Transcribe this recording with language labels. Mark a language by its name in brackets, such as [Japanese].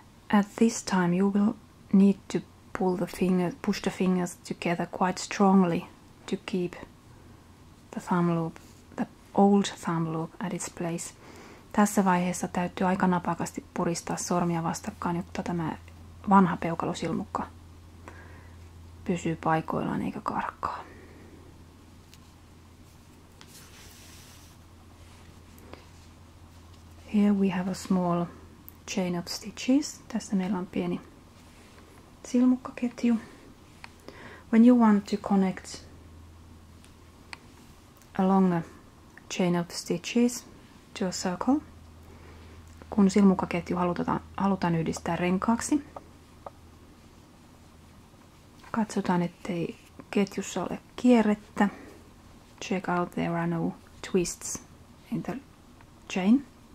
[English] At this time you will need to push the fingers together quite strongly to keep the old thumb loop at its place. [Finnish] Tässä vaiheessa täytyy aika napakasti puristaa sormia vastakkain, jotta tämä vanha peukalosilmukka pysyy paikoillaan eikä karkkaa. [English] Here we have a small chain of stitches. [Finnish] Tässä meillä on pieni silmukkaketju. [English] When you want to connect a longer chain of stitches to a circle, [Finnish] kun silmukkaketju halutaan yhdistää renkaaksi. Katsotaan, ettei ketjussa ole kierrettä. [English] Check out there are no twists in the chain.